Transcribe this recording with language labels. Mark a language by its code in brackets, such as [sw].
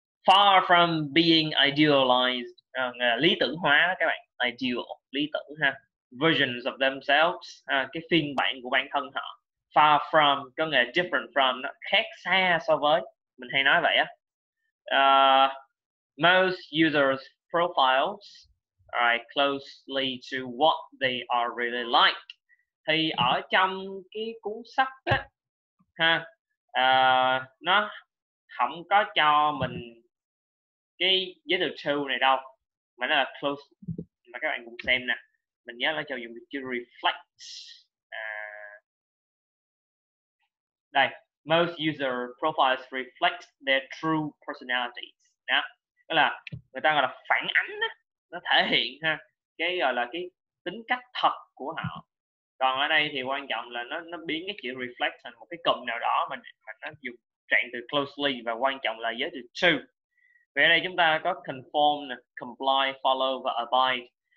[en] Far from being idealized, [vi] lý tưởng hóa các bạn. Ideal, lý tưởng ha. [en] Versions of themselves, [vi] cái phiên bản của bản thân họ. [en] Far from, [vi] có nghĩa [en] different from, [vi] nó khác xa so với. Mình hay nói vậy á. [en] Most users' profiles are closely to what they are really like. [vi] Thì ở trong cái cuốn sách á, ha, nó không có cho mình cái giới thiệu to này đâu, mà nó là close. Mà các bạn cùng xem nè, mình nhớ là cho dùng chữ reflect. Đây, [en] most user profiles reflect their true personalities. [vi] Đó, đó là người ta gọi là phản ánh á, nó thể hiện ha, cái gọi là cái tính cách thật của họ. Còn ở đây thì quan trọng là nó biến cái chữ reflect thành một cái cụm nào đó mà nó dùng trạng từ closely và quan trọng là giới từ to. Vậy ở đây chúng ta có conform, comply, follow và abide.